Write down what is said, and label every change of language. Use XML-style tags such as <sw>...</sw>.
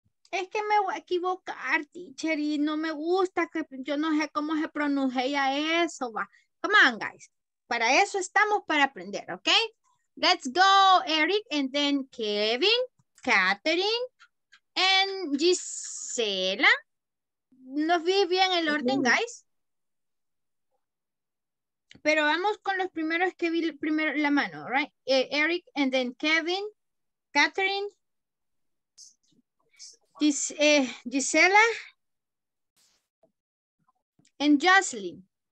<es>Es que me voy a equivocar, teacher, y no me gusta, que yo no sé cómo se pronuncia eso, va.</es> <en>Come on, guys.</en> <es>Para eso estamos, para aprender, ¿ok?</es> <en>Let's go, Eric, and then Kevin, Catherine, and Gisela.</en> <es>¿Nos vi bien el orden, guys? Pero vamos con los primeros que vi primero la mano, right?</es> <en>Eric, and then Kevin, Catherine. Gisela and Jocelyn.</en>